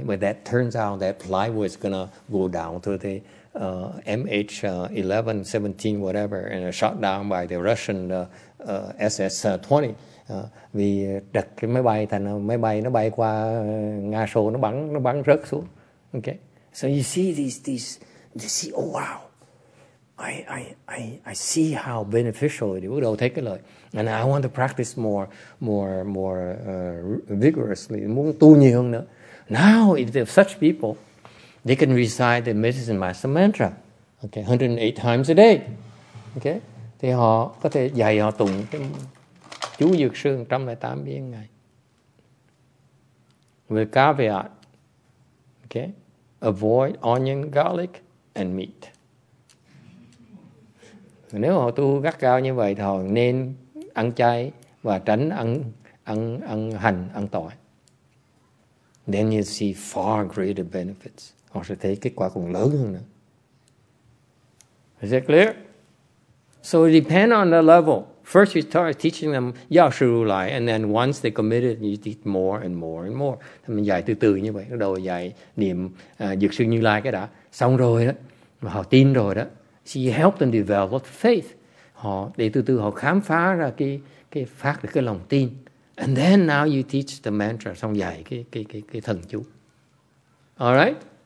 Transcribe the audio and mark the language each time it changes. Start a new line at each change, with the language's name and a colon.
English: But that turns out that flight was gonna go down to the MH-17, whatever, and shot down by the Russian SS-20.
Vietnamese: Vì đặt cái máy bay thành máy bay nó bay qua Nga Sô nó bắn rớt xuống.
English: Okay. So you see these, oh wow. I see how beneficial it is.
Vietnamese: Bắt đầu thấy cái lợi.
English: And I want to practice more vigorously.
Vietnamese: Muốn tu nhiều hơn nữa.
English: Now if there are such people, they can recite the Medicine Master Mantra. Okay, 108 times a day. Okay?
Vietnamese: Thì họ có thể dạy họ tụng cái Chú Dược Sư 108 biến ngày.
English: With caveat, okay, avoid onion, garlic, and meat.
Vietnamese: Nếu họ tu gắt gao như vậy thì họ nên ăn chay và tránh ăn hành, ăn tỏi.
English: Then you see far greater benefits.
Vietnamese: Họ sẽ thấy kết quả còn lớn hơn nữa.
English: Is that clear? So it depends on the level. First you start teaching them Yao Shi Ru Lai, and then once they committed, you teach more and more and more.
Vietnamese: Thì mình dạy từ từ như vậy. Bắt đầu dạy niệm Dược Sư Như Lai cái đã. Xong rồi đó. Mà họ tin rồi đó.
English: So you help them develop faith.
Vietnamese: Họ để từ từ họ khám phá ra cái phát được cái lòng tin.
English: And then now you teach the mantra.
Vietnamese: Xong dạy cái thần chú.
English: All right?